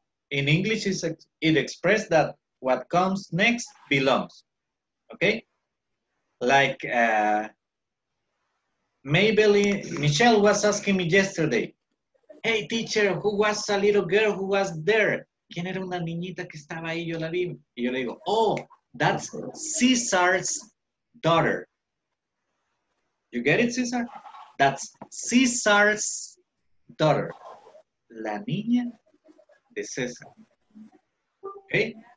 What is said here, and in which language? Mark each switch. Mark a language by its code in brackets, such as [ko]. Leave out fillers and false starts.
[en] In English, it expresses that what comes next belongs. Okay? Like, Maybelline, Michelle was asking me yesterday, hey teacher, who was a little girl who was there? [es] ¿Quién era una niñita que estaba ahí? Yo la vi. Y yo le digo, [en] oh, that's Caesar's daughter. You get it, Caesar? That's Caesar's daughter. [es] La niña de César. Okay?